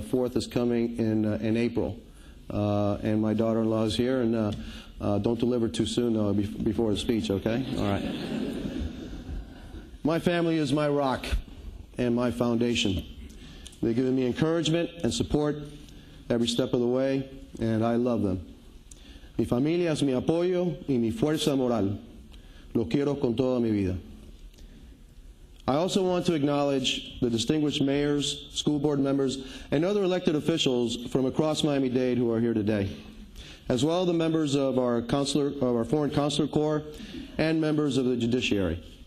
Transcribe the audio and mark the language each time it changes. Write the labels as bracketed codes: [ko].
[en] Fourth is coming in April. And my daughter-in-law is here, and don't deliver too soon, though, before the speech, okay? All right. My family is my rock and my foundation. They've given me encouragement and support every step of the way, and I love them. [es] Mi familia es mi apoyo y mi fuerza moral. Lo quiero con toda mi vida. [en] I also want to acknowledge the distinguished mayors, school board members, and other elected officials from across Miami-Dade who are here today, as well as the members of our Foreign Consular Corps and members of the judiciary.